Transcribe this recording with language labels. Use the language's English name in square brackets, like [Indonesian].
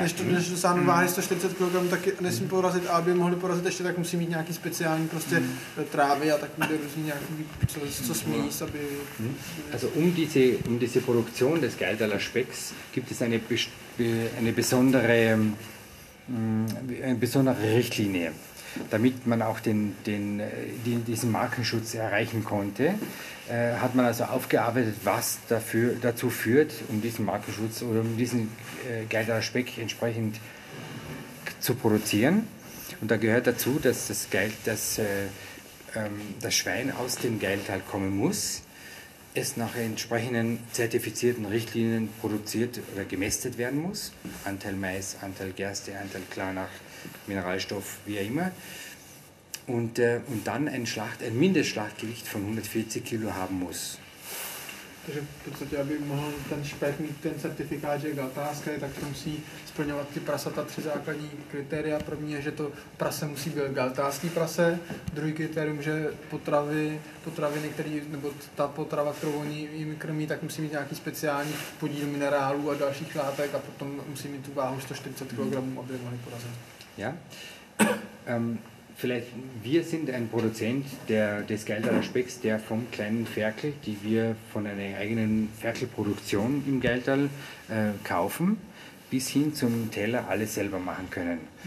[Czech] Než dosáhnu váhy 140 kg, tak nesmí porazit. A aby mohli porazit ještě, tak musí mít nějaký speciální prostě trávy a tak bude různý nějaký, co smí jíst, aby... [German] Also um diese Produktion des Gelderler Specks gibt es eine besondere... eine besondere Richtlinie, damit man auch diesen Markenschutz erreichen konnte, hat man also aufgearbeitet, was dazu führt, um diesen Markenschutz oder um diesen Gelderer Speck entsprechend zu produzieren. Und da gehört dazu, dass das Schwein aus dem Geldtal kommen muss, es nach entsprechenden zertifizierten Richtlinien produziert oder gemästet werden muss. Anteil Mais, Anteil Gerste, Anteil Klarnach, Mineralstoff, wie auch immer. Und dann ein Mindestschlachtgewicht von 140 Kilo haben muss. [Czech] Takže v podstatě, aby mohl ten špek mít ten certifikát, že je galtářský, tak to musí splňovat ty prasata, tři základní kritéria. První je, že to prase musí být galtářský prase. Druhý kritérium, že potraviny, který, nebo ta potrava, kterou oni jim krmí, tak musí mít nějaký speciální podíl minerálů a dalších látek a potom musí mít tu váhu 140 kg, aby mohli porazit. [German] Ja. Vielleicht, wir sind ein Produzent des Gelderer Specks, der vom kleinen Ferkel, die wir von einer eigenen Ferkelproduktion im Geldal kaufen, bis hin zum Teller alles selber machen können.